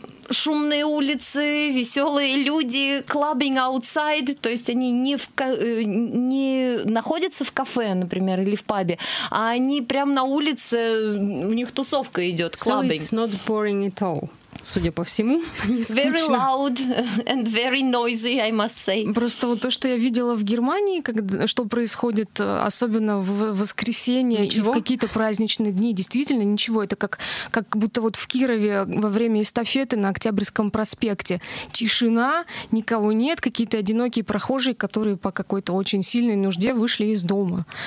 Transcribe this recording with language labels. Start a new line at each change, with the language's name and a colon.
Russian: шумные улицы, веселые люди,
English: clubbing outside,
Russian: то есть они не находятся в кафе, например, или в пабе, а они прямо на улице, у них тусовка идет, clubbing.
English: So it's not boring at all.
Russian: Судя по всему, не скучно.
English: Very loud and very noisy, I must say.
Russian: Просто вот то, что я видела в Германии, что происходит, особенно в воскресенье ничего. И в какие-то праздничные дни, действительно ничего. Это как будто вот в Кирове во время эстафеты на Октябрьском проспекте. Тишина, никого нет, какие-то одинокие прохожие, которые по какой-то очень сильной нужде вышли из дома.